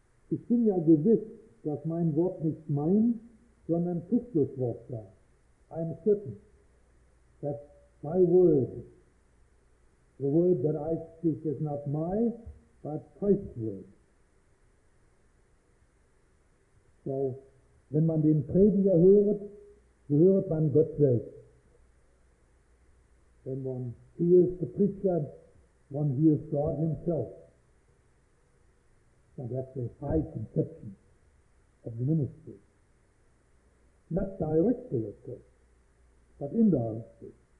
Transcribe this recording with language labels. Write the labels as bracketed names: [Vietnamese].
[German] Ich bin ja gewiss, dass mein Wort nicht mein, sondern Christus Wort sei. [English] I am certain that my word, the word that I speak, is not my, but Christ's word. [German] So, wenn man den Prediger hört, so hört man Gott selbst. [English] When one hears the preacher, one hears God himself. And that's a high conception of the ministry. Not directly, of course, but indirectly.